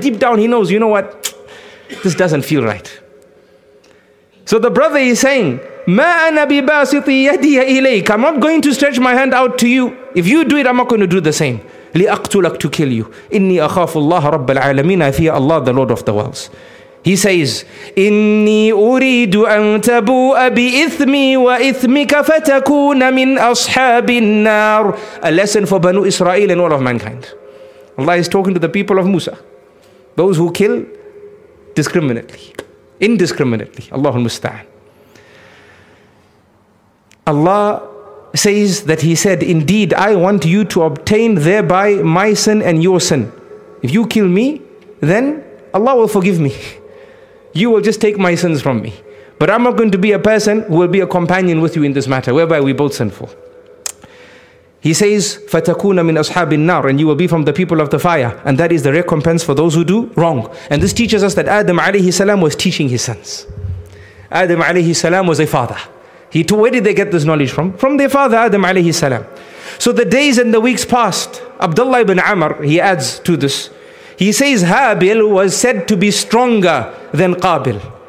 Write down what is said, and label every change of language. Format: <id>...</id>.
<en>Deep down he knows, you know what? This doesn't feel right. So the brother is saying,</en> <ar>مَا أَنَا بِبَاسِطِ يَدِيَ إِلَيْكَ.</ar> <en>I'm not going to stretch my hand out to you. If you do it, I'm not going to do the same.</en> <ar>لِأَقْتُلَكَ</ar> <en>to kill you.</en> <ar>إِنِّي أَخَافُ اللَّهَ رَبَّ الْعَالَمِينَ.</ar> <en>I fear Allah, the Lord of the worlds. He says,</en> <ar>إِنِّي أُرِيدُ أَن تَبُوءَ بِإِثْمِي وَإِثْمِكَ فَتَكُونَ مِنْ أَصْحَابِ النَّارِ.</ar> <en>A lesson for Banu Israel and all of mankind. Allah is talking to the people of Musa. Those who kill discriminately. Indiscriminately, Allahul Musta'an. Allah says that he said, indeed, I want you to obtain thereby my sin and your sin. If you kill me, then Allah will forgive me. You will just take my sins from me. But I'm not going to be a person who will be a companion with you in this matter, whereby we both sinful. He says,</en> <ar>فَتَكُونَ مِنْ أَصْحَابِ النَّارِ.</ar> <en>And you will be from the people of the fire. And that is the recompense for those who do wrong. And this teaches us that Adam alayhi salam was teaching his sons. Adam alayhi salam was a father. Where did they get this knowledge from? From their father, Adam alayhi salam. So the days and the weeks passed. Abdullah ibn Amr, he adds to this. He says, Habil was said to be stronger than Qabil.</en>